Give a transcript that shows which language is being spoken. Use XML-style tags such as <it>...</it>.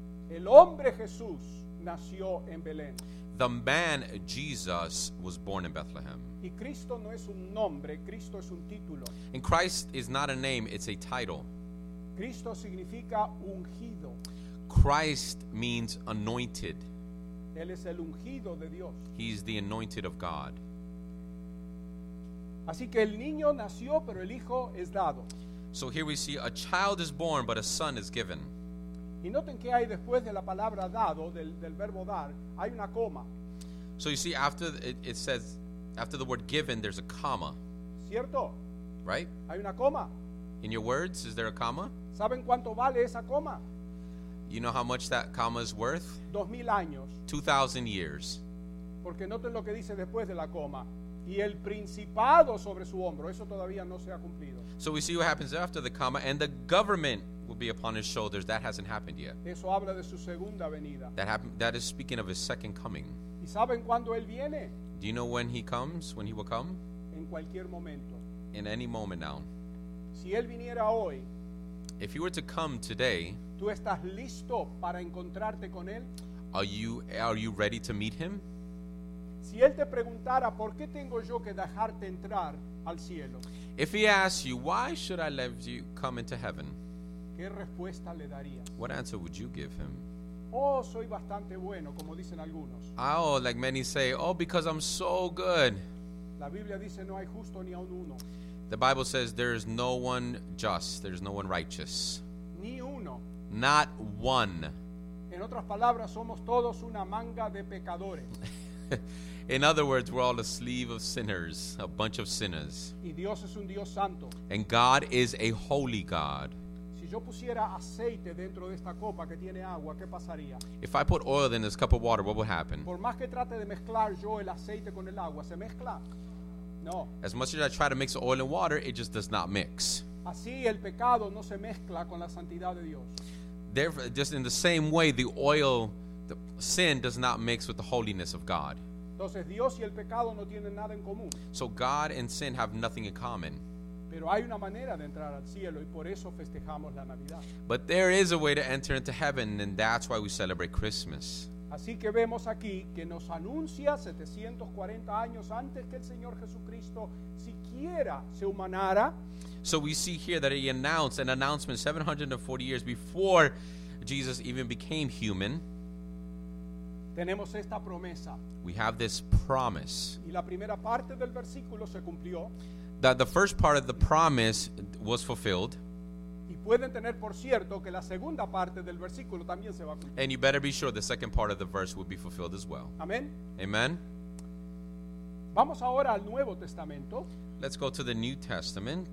<es>El hombre Jesús nació en Belén.</es> <en>The man Jesus was born in Bethlehem.</en> <es>Y Cristo no es un nombre, Cristo es un título.</es> <en>And Christ is not a name, it's a title.</en> <es>Cristo significa ungido.</es> <en>Christ means anointed.</en> <es>Él es el ungido de Dios.</es> <en>He is the anointed of God.</en> <es>Así que el niño nació, pero el hijo es dado.</es> <en>So here we see a child is born, but a son is given.</en> <es>Y noten que hay después de la palabra dado, del verbo dar, hay una coma.</es> <en>So you see, after it says, after the word given, there's a comma.</en> <es>¿Cierto?</es> <en>Right?</en> <es>Hay una coma.</es> <en>In your words, is there a comma?</en> <es>¿Saben cuánto vale esa coma?</es> <en>You know how much that comma is worth?</en> <es>2,000 años.</es> <en>2,000 years.</en> <es>Porque noten lo que dice después de la coma. y el principado sobre su hombro. Eso todavía no se ha cumplido.</es> <en>So we see what happens after the comma, and the government will be upon his shoulders. That hasn't happened yet.</en> <es>Eso habla de su segunda venida.</es> <en>That is speaking of his second coming.</en> <es>¿Y saben cuándo él viene?</es> <en>Do you know when he comes, when he will come?</en> <es>En cualquier momento.</es> <en>In any moment now.</en> <es>Si él viniera hoy,</es> <en>if he were to come today,</en> <es>¿tú estás listo para encontrarte con él?</es> <en>Are you ready to meet him?</en> <es>Si él te preguntara, ¿por qué tengo yo que dejarte entrar al cielo?</es> <en>If he asks you, why should I let you come into heaven?</en> <es>¿Qué respuesta le darías?</es> <en>What answer would you give him?</en> <es>Oh, soy bastante bueno, como dicen algunos.</es> <en>Oh, like many say, oh, because I'm so good.</en> <es>La Biblia dice, no hay justo ni aun uno.</es> <en>The Bible says there is no one just, there is no one righteous.</en> <es>Ni uno.</es> <en>Not one.</en> <es>En otras palabras, somos todos una manga de pecadores.</es> <en>In other words, we're all a sleeve of sinners, a bunch of sinners.</en> <es>Y Dios es un Dios santo.</es> <en>And God is a holy God.</en> <es>Si yo pusiera aceite dentro de esta copa que tiene agua, ¿qué pasaría?</es> <en>If I put oil in this cup of water, what would happen?</en> <es>Por más que trate de mezclar yo el aceite con el agua, ¿se mezcla? No.</es> <en>As much as I try to mix oil and water, it just does not mix.</en> <es>Así el pecado no se mezcla con la santidad de Dios.</es> <en>Therefore, just in the same way, the oil, the sin does not mix with the holiness of God.</en> <es>Entonces, Dios y el pecado no tienen nada en común.</es> <en>So God and sin have nothing in common.</en> <es>Pero hay una manera de entrar al cielo y por eso festejamos la Navidad.</es> <en>But there is a way to enter into heaven, and that's why we celebrate Christmas.</en> <es>Así que vemos aquí que nos anuncia 740 años antes que el Señor Jesucristo siquiera se humanara.</es> <en>So we see here that he announced an announcement 740 years before Jesus even became human.</en> <es>Tenemos esta promesa.</es> <en>We have this promise.</en> <es>Y la primera parte del versículo se cumplió.</es> <en>That the first part of the promise was fulfilled.</en> <es>Pueden tener por cierto que la segunda parte del versículo también se va a cumplir.</es> <en>And you better be sure the second part of the verse will be fulfilled as well.</en> <es>Amen.</es> <en>Amen.</en> <es>Vamos ahora al Nuevo Testamento.</es> <en>Let's go to the New Testament.</en>